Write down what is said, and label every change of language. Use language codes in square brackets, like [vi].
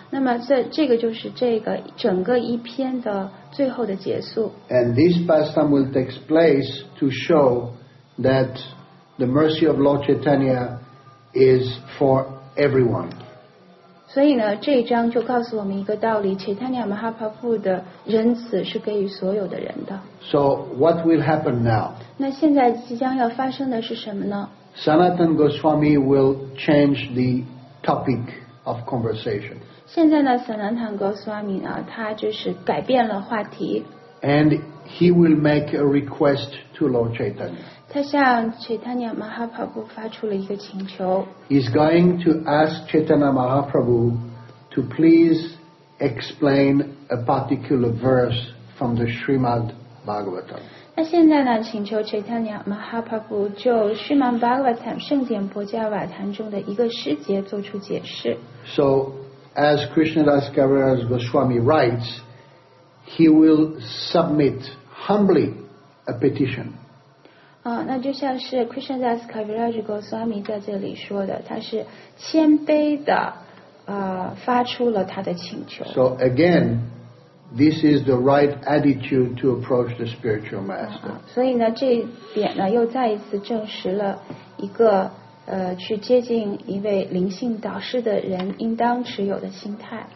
[zh] 那么这个就是这个整个一篇的最后的结束。 [en] And this pastime will take place to show that The mercy of Lord Chaitanya is for everyone. [zh] 所以呢，这一章就告诉我们一个道理：Chaitanya Mahaprabhu 的仁慈是给予所有的人的。 [en] So what will happen now? [zh] 那现在即将要发生的是什么呢？ [en] Sanatan Goswami will change the topic of conversation. [zh] 现在呢 ，Sanatan Goswami 呢，他就是改变了话题。 [en] And he will make a request to Lord Chaitanya. [zh] 他向 Chaitanya Mahaprabhu 发出了一个请求。 [en] He's going to ask Chaitanya Mahaprabhu to please explain a particular verse from the Srimad Bhagavatam. [zh] 那现在呢，请求 Chaitanya Mahaprabhu 就 Srimad Bhagavatam 圣典薄伽瓦坛中的一个诗节做出解释。 [en] So, as Krishnadas Kaviraj Goswami writes. He will submit humbly a petition. [zh] 那就像是 Krishnadas Kaviraj Goswami 在这里说的，他是谦卑的，发出了他的请求。 [en] So again, this is the right attitude to approach the spiritual master. [zh] 所以呢，这一点呢，又再一次证实了一个去接近一位灵性导师的人应当持有的心态。